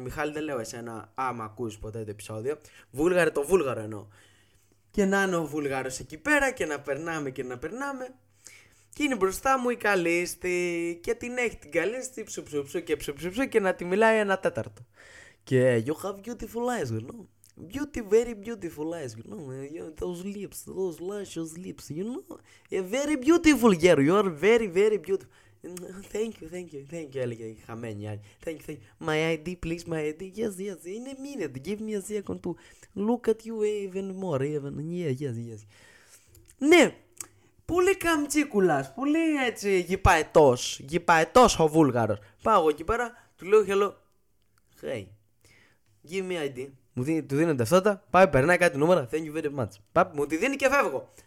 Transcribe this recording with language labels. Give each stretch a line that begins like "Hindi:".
Greek: Μιχάλη, δεν λέω εσένα, άμα ακούς ποτέ το επεισόδιο. Βούλγαρε, το Βούλγαρο εννοώ. Και να είναι ο Βούλγαρος εκεί πέρα και να περνάμε και να περνάμε. Και είναι μπροστά μου η Καλίστη. Και την έχει την Καλίστη, ψουψουψου και ψουψουψου και να τη μιλάει ένα τέταρτο.
English: Και you have beautiful eyes, you know. Beauty, very beautiful eyes, you know, those luscious lips, you know, a very beautiful girl, you are very, very beautiful, thank you,
Greek: έλεγε χαμένη,
English: thank you, my ID, please, my ID, yes, in a minute, give me a second to look at you even more, yes.
Greek: Ναι, πολύ καμτσίκουλας, πολύ έτσι γυπαετός ο Βούλγαρος. Πάω εγώ εκεί πέρα, του λέω
English: hello, hey, give me ID.
Greek: Του δίνω ταυτότητα, πάει, περνάει κάτι νούμερα.
English: Thank you very much.
Greek: Πάει, μου τη δίνει και φεύγω.